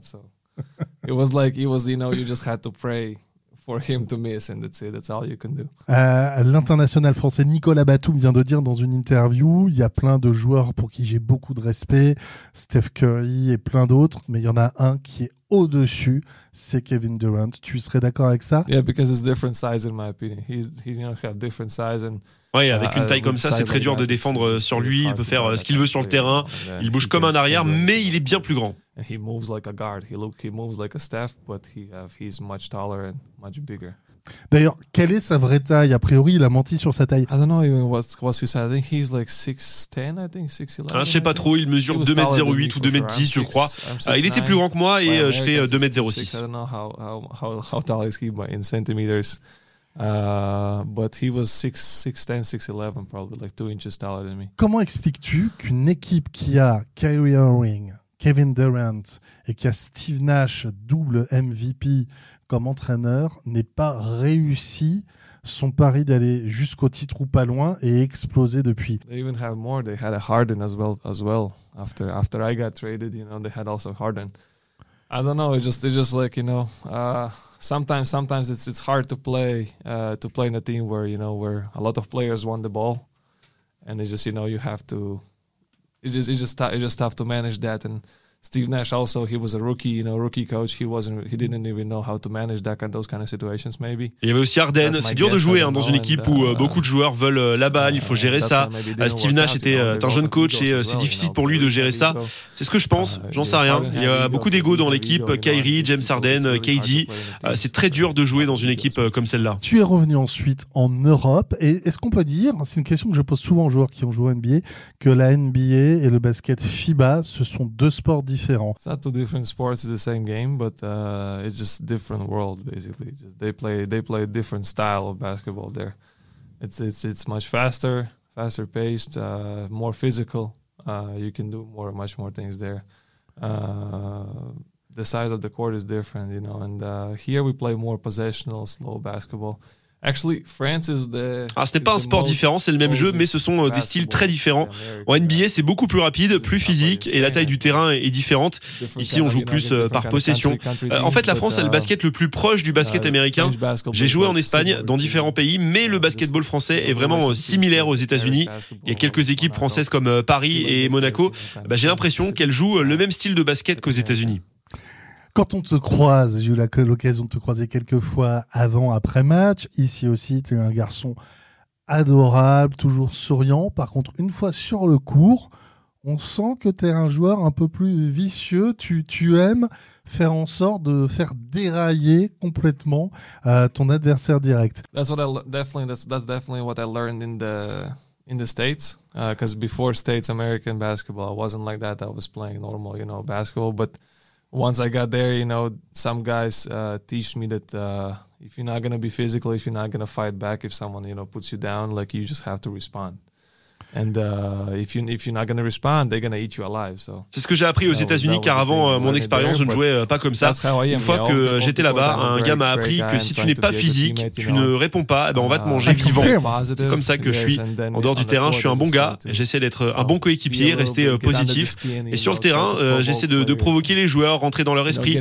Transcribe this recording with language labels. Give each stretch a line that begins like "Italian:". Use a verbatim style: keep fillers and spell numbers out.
English: So it was like it was, you know, you just had to pray for him to miss, and that's it. That's all you can do.
French: Euh, l'international français Nicolas Batum vient de dire dans une interview, il y a plein de joueurs pour qui j'ai beaucoup de respect, Steph Curry et plein d'autres, mais il y en a un qui est au-dessus, c'est Kevin Durant. Tu serais d'accord avec ça?
English: Yeah, because it's different size in my opinion. He's he's you know have different size and.
French: Ouais, avec une taille comme ça, c'est très dur de défendre sur lui. Il peut faire ce qu'il veut sur le terrain. Il bouge comme un arrière, mais il est bien plus grand.
English: He moves like a guard. He look, he moves like a staff, but he have, he's much taller and much bigger.
French: D'ailleurs, quelle est sa vraie taille? A priori, il a menti sur sa taille.
English: I don't know even what what he said. I think he's like six ten, I think six eleven.
French: Ah, je sais pas trop, il mesure deux mètres zéro huit ou deux mètres dix, je crois. Ah, il était plus grand que moi et je fais deux mètres zéro six.
English: I don't know how how how how tall is he in centimeters. Uh, but he was six ten, six eleven, probably like two inches taller than me.
French: Comment expliques-tu qu'une équipe qui a Kyrie Irving, Kevin Durant et qui a Steve Nash, double M V P comme entraîneur, n'ait pas réussi son pari d'aller jusqu'au titre ou pas loin et exploser depuis?
English: They even have more. They had a Harden as well as well. After after I got traded, you know, they had also Harden. I don't know. It's just it's just like you know. Uh, Sometimes, sometimes it's it's hard to play uh, to play in a team where you know where a lot of players want the ball, and it's just you know you have to, it's just it's just it's just tough to manage that. And Steve Nash also, he was a rookie, you know, rookie coach. He wasn't, he didn't even know how to manage that kind, those kind of situations maybe.
French: Il y avait aussi Harden. C'est dur de jouer hein, dans une équipe où uh, beaucoup de joueurs veulent la balle. Il faut gérer ça. Uh, Steve Nash était un jeune coach et c'est difficile pour lui de gérer ça. C'est ce que je pense. J'en sais rien. Il y a beaucoup d'ego dans l'équipe. Kyrie, James Harden, K D. Uh, c'est très dur de jouer dans une équipe comme celle-là. Tu es revenu ensuite en Europe et est-ce qu'on peut dire, c'est une question que je pose souvent aux joueurs qui ont joué en N B A, que la N B A et le basket FIBA, ce sont deux sports différents. It's not two different sports, it's the same game, but uh, it's just different world basically. Just they play they play a different style of basketball there. It's it's it's much faster, faster paced, uh, more physical. Uh, you can do more, much more things there. Uh, the size of the court is different, you know. And uh, here we play more possessional, slow basketball. Alors, ce n'est pas un sport différent, c'est le même jeu, mais ce sont des styles très différents. En N B A, c'est beaucoup plus rapide, plus physique, et la taille du terrain est différente. Ici, on joue plus par possession. En fait, la France a le basket le plus proche du basket américain. J'ai joué en Espagne, dans différents pays, mais le basketball français est vraiment similaire aux États-Unis. Il y a quelques équipes françaises comme Paris et Monaco. Bah, j'ai l'impression qu'elles jouent le même style de basket qu'aux États-Unis. Quand on te croise, j'ai eu l'occasion de te croiser quelques fois avant, après match. Ici aussi, tu es un garçon adorable, toujours souriant. Par contre, une fois sur le court, on sent que tu es un joueur un peu plus vicieux. Tu, tu aimes faire en sorte de faire dérailler complètement euh, ton adversaire direct.
English: That's what I definitely that's that's definitely what I learned in the in the States, because uh, before States American basketball, I wasn't like that. I was playing normal, you know, basketball, but once I got there, you know, some guys uh, teach me that uh, if you're not going to be physical, if you're not going to fight back, if someone, you know, puts you down, like, you just have to respond. And uh, if you if you're not going to respond, they're going to eat you alive. So.
French: C'est ce que j'ai appris aux États-Unis, car avant mon expérience, je ne jouais pas comme ça. Une fois que j'étais là-bas, un gars m'a appris que si tu n'es pas physique, tu ne réponds pas, eh ben on va te manger vivant. C'est comme ça que je suis. En dehors du terrain, je suis un bon gars. J'essaie d'être un bon coéquipier, rester positif. Et sur le terrain, j'essaie de, de provoquer les joueurs, rentrer dans leur esprit.